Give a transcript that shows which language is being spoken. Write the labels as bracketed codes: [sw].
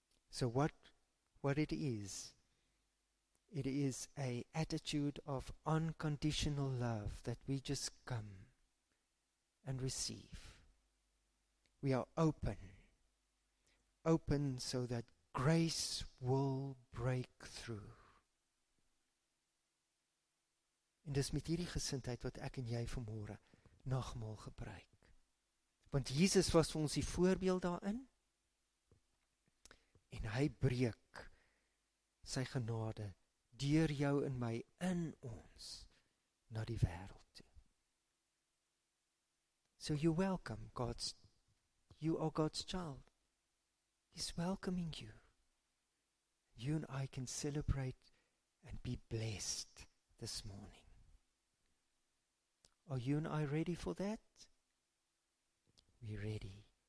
[en] So what it is an attitude of unconditional love that we just come and receive. We are open so that grace will break through. [af] En dis met hierdie gesindheid wat ek en jy vanmôre nagmaal gebruik. Want Jesus was vir ons die voorbeeld daarin. En hy breek sy genade deur jou en my in ons na die wêreld toe. [en] So you welcome God's, you are God's child. He's welcoming you. You and I can celebrate and be blessed this morning. Are you and I ready for that? We're ready.